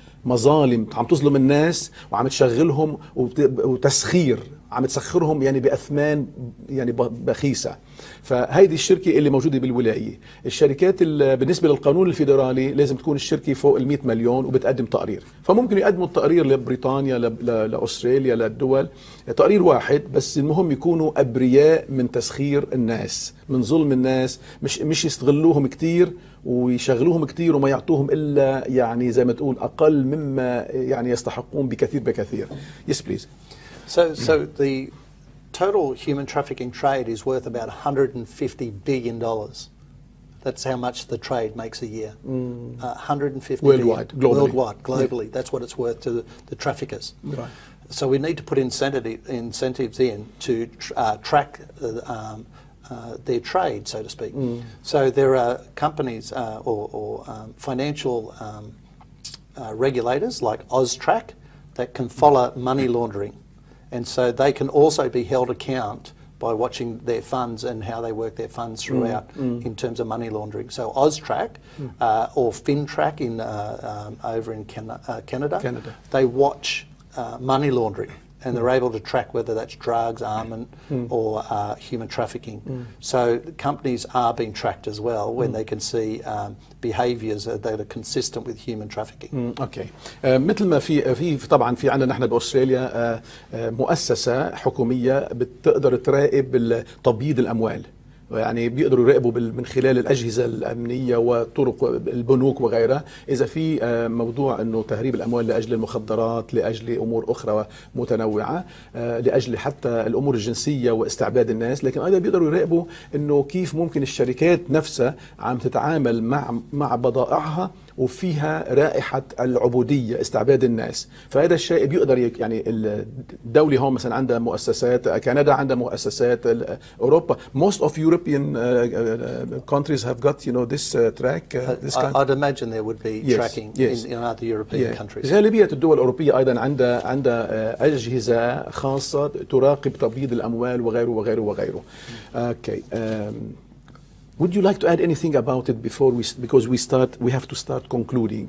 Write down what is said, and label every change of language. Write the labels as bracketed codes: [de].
[ar] مظالم عم تظلم الناس وعم تشغلهم وتسخير عم تسخرهم يعني بأثمان يعني بخيسة فهيدي الشركة اللي موجودة بالولاية الشركات بالنسبة للقانون الفيدرالي لازم تكون الشركة فوق المئة مليون وبتقدم تقرير فممكن يقدموا التقرير لبريطانيا لأستراليا للدول تقرير واحد بس المهم يكونوا أبرياء من تسخير الناس من ظلم الناس مش يستغلوهم كتير ويشغلوهم كتير وما يعطوهم إلا يعني زي ما تقول أقل مما يعني يستحقون بكثير [en] Yes please So the total human trafficking trade is worth about $150 billion. That's how much the trade makes a year. Mm. $150 worldwide, billion. Globally. Yeah. That's what it's worth to the traffickers. Right. So we need to put incentives in to track their trade, so to speak. Mm. So there are companies or financial regulators like AUSTRAC that can follow money laundering. And so they can also be held account by watching their funds and how they work their funds throughout in terms of money laundering. So AUSTRAC or FINTRAC in over in Canada, they watch money laundering and they're able to track whether that's drugs, armament or human trafficking. Mm. So companies are being tracked as well when they can see behaviors that are consistent with human trafficking. Mm, okay. [ar] مثل ما في طبعا في عندنا نحن باستراليا مؤسسة حكومية بتقدر تراقب تبييض الأموال. يعني بيقدروا يراقبوا من خلال الأجهزة الأمنية وطرق البنوك وغيرها إذا في موضوع أنه تهريب الأموال لأجل المخدرات لأجل أمور أخرى متنوعة لأجل حتى الأمور الجنسية واستعباد الناس لكن أيضا بيقدروا يراقبوا أنه كيف ممكن الشركات نفسها عم تتعامل مع بضائعها وفيها رائحة العبودية استعباد الناس فهذا الشيء بيقدر يعني الدولة هون مثلا عندها مؤسسات كندا عندها مؤسسات أوروبا [en] most of European countries have got you know this track this kind. I'd imagine there would be tracking in other European countries [ar] غالبية الدول الأوروبية أيضا عندها أجهزة خاصة تراقب تبييض الأموال وغيره [en] okay Would you like to add anything about it before we have to start concluding.